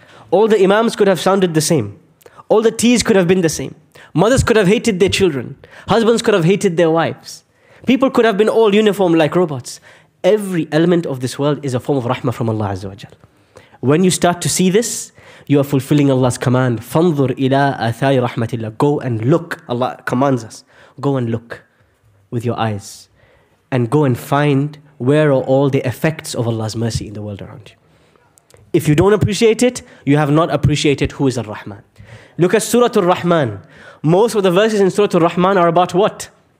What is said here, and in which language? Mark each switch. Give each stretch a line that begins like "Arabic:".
English: All the imams could have sounded the same. All the teas could have been the same. Mothers could have hated their children. Husbands could have hated their wives. People could have been all uniform like robots. Every element of this world is a form of rahmah from Allah Azza wa Jal. When you start to see this, you are fulfilling Allah's command.
Arabic: فَانْظُرْ إِلَىٰ أَثَارِ رَحْمَةِ اللَّهِ
English: Go and look. Allah commands us. Go and look with your eyes. And go and find, where are all the effects of Allah's mercy in the world around you? If you don't appreciate it, you have not appreciated who is Ar-Rahman. Look at Surah Ar-Rahman. Most of the verses in Surah Ar-Rahman are about what?